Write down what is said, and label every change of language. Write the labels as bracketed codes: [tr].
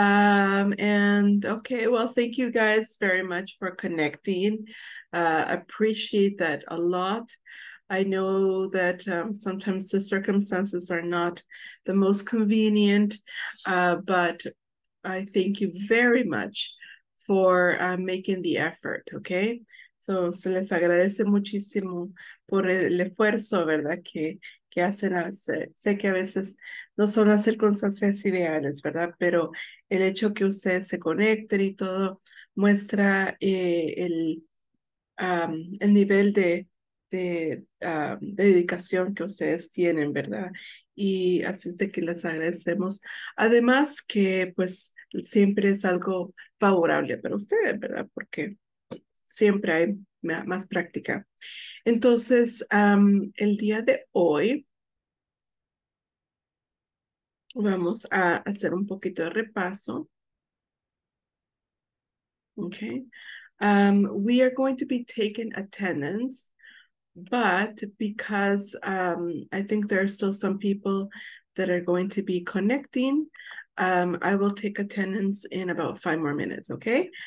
[en] And okay, well, thank you guys very much for connecting. Appreciate that a lot. I know that sometimes the circumstances are not the most convenient, but I thank you very much for making the effort, okay? [es] So se les agradece muchísimo por el esfuerzo, ¿verdad? Que hacen a veces. Sé que a veces no son las circunstancias ideales, ¿verdad? Pero el hecho que ustedes se conecten y todo muestra el nivel de dedicación que ustedes tienen, ¿verdad? Y así es de que les agradecemos. Además que, pues, siempre es algo favorable para ustedes, ¿verdad? Porque siempre hay más práctica. Entonces, el día de hoy vamos a hacer un poquito de repaso. Okay. [en] We are going to be taking attendance, but because I think there are still some people that are going to be connecting. I will take attendance in about 5 more minutes, okay?